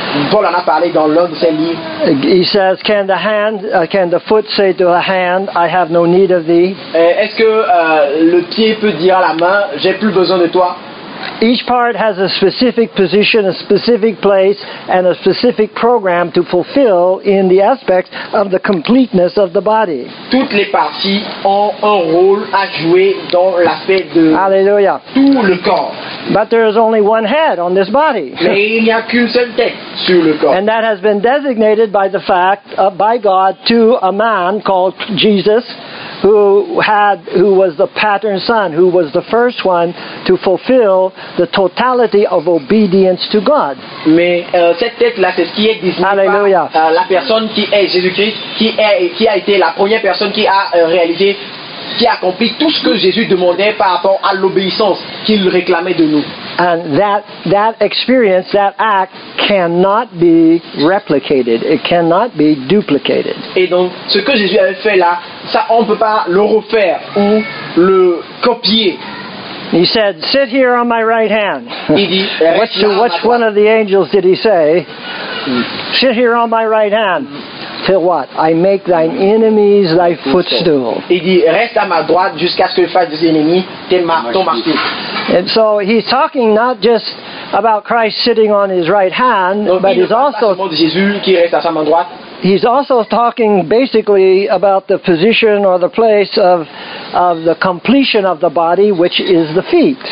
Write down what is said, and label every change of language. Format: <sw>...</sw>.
<fr>Paul en a parlé dans l'un de ses livres.</fr> <en>He says, "Can the hand, can the foot say to the hand, 'I have no need of thee'?"</en> <fr>Est-ce que le pied peut dire à la main, j'ai plus besoin de toi?</fr> <en>Each part has a specific position, a specific place, and a specific program to fulfill in the aspects of the completeness of the body.</en> <fr>Toutes les parties ont un rôle à jouer dans l'aspect de</fr> <en>Hallelujah.</en> <fr>Tout le corps.</fr> <en>But there is only one head on this body.</en> <fr>Mais il n'y a qu'une seule tête sur le corps.</fr> <en>And that has been designated by the fact by God to a man called Jesus, who was the pattern son, who was the first one to fulfill the totality of obedience to God.</en> <fr>Mais cette tête là, c'est ce qui est désigné par la personne qui est Jésus-Christ, qui a été la première personne qui a réalisé, qui a accompli tout ce que Jésus demandait par rapport à l'obéissance qu'il réclamait de nous.</fr> <en>And that experience, that act cannot be replicated. It cannot be duplicated.</en> <fr>Et donc ce que Jésus avait fait là, ça on peut pas le refaire ou le copier.</fr> <en>He said, "Sit here on my right hand." Which one of the angels did he say? Sit here on my right hand. Till what? I make thine enemies thy footstool.</en> <fr>Il dit, reste à ma droite jusqu'à ce que je fasse des ennemis ton marteau.</fr> <en>And so he's talking not just about Christ sitting on his right hand,</en> <fr>donc,</fr> <en>but he's also</en> <fr>Jésus qui reste à sa main droite.</fr> <en>He's also talking basically about the position or the place of the completion of the body, which is the feet.</en>